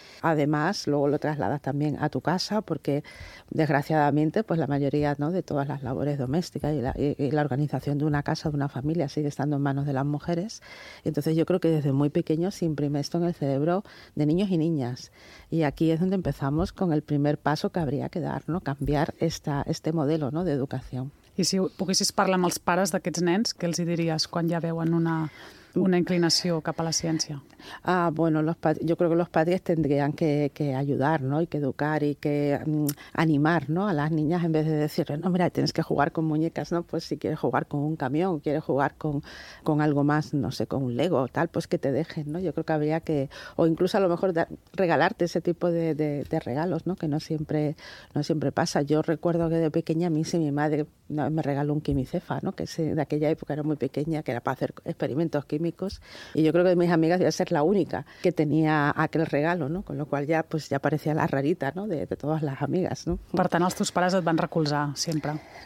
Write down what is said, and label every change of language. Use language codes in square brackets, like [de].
[es] Además, luego lo trasladas también a tu casa, porque desgraciadamente, pues la mayoría, ¿no?, de todas las labores domésticas y la organización de una casa, de una familia, sigue estando en manos de las mujeres. Entonces yo creo que desde muy pequeño se imprime esto en el cerebro de niños y niñas. Y aquí es donde empezamos con el primer paso que habría que dar, ¿no? Cambiar este modelo, ¿no?, de educación. [ca] I si poguessis parlar amb els pares d'aquests nens, què els hi diries quan ja veuen una inclinació cap a la ciència? [es] Ah, bueno, yo creo que los padres tendrían que ayudar, ¿no?, y que educar y que animar, ¿no?, a las niñas, en vez de decirles: no, mira, tienes que jugar con muñecas, ¿no?, pues si quieres jugar con un camión, quieres jugar con algo más, no sé, con un Lego o tal, pues que te dejen, ¿no? Yo creo que habría que, o incluso a lo mejor regalarte ese tipo de regalos, ¿no?, que no siempre pasa. Yo recuerdo que de pequeña a mí sí, mi madre me regaló un quimicefa, ¿no?, que de aquella época era muy pequeña, que era para hacer experimentos bioquímicos, y yo creo que de mis amigas iba a ser la única que tenía aquel regalo, ¿no? Con lo cual ya, pues, ya parecía la rarita, ¿no?, de todas las amigas, ¿no? [ca] Per tant, els teus pares et van recolzar sempre.